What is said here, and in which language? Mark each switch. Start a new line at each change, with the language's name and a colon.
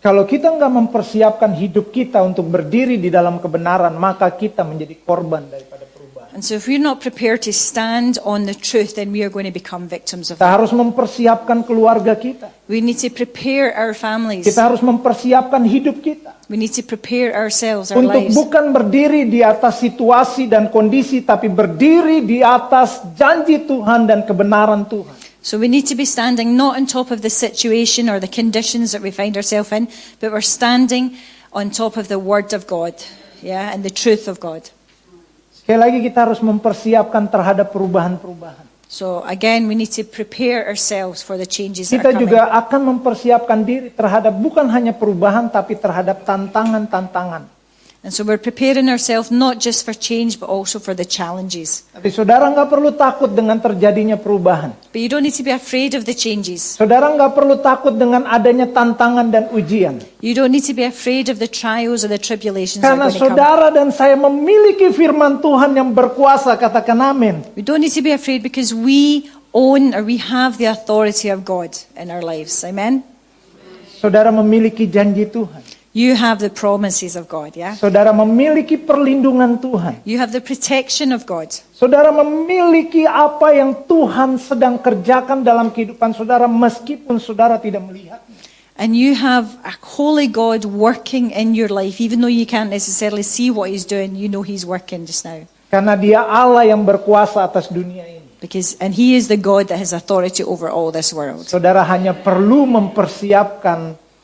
Indonesian: Kalau kita enggak mempersiapkan hidup kita untuk berdiri di dalam kebenaran, maka kita menjadi korban daripada perubahan.
English: And so if we're not prepared to stand on the truth, then we are going to become victims of
Indonesian: it. Kita harus mempersiapkan keluarga kita.
English: We need to prepare our families.
Indonesian: Kita harus mempersiapkan hidup kita.
English: We need to prepare ourselves, our
Indonesian: untuk
English: lives.
Indonesian: Bukan berdiri di atas situasi dan kondisi, tapi berdiri di atas janji Tuhan dan kebenaran Tuhan.
English: So we need to be standing not on top of the situation or the conditions that we find ourselves in, but we're standing on top of the word of God, yeah, and the truth of God.
Indonesian: Sekali lagi kita harus mempersiapkan terhadap perubahan-perubahan.
English: So again, we need to prepare ourselves for the changes
Indonesian: kita
English: that are coming.
Indonesian: Kita juga akan mempersiapkan diri terhadap bukan hanya perubahan, tapi terhadap tantangan-tantangan.
English: And so we're preparing ourselves not just for change, but also for the challenges.
Indonesian: Tapi saudara nggak perlu takut dengan terjadinya perubahan.
English: But you don't need to be afraid of the changes.
Indonesian: Saudara nggak perlu takut dengan adanya tantangan dan ujian.
English: You don't need to be afraid of the trials or the tribulations.
Indonesian: Karena saudara dan saya memiliki firman Tuhan yang berkuasa, katakan amin.
English: We don't need to be afraid because we own or we have the authority of God in our lives.
Indonesian: Amen. Saudara memiliki janji Tuhan.
English: You have the promises of God, yeah?
Indonesian: Saudara memiliki perlindungan Tuhan.
English: You have the protection of God.
Indonesian: Saudara memiliki apa yang Tuhan sedang kerjakan dalam kehidupan saudara meskipun saudara tidak melihat.
English: And you have a holy God working in your life even though you can't necessarily see what he's doing, you know he's working just now.
Indonesian: Karena dia Allah yang berkuasa atas dunia ini.
English: Because and he is the God that has authority over all this world.
Indonesian: Saudara hanya perlu mempersiapkan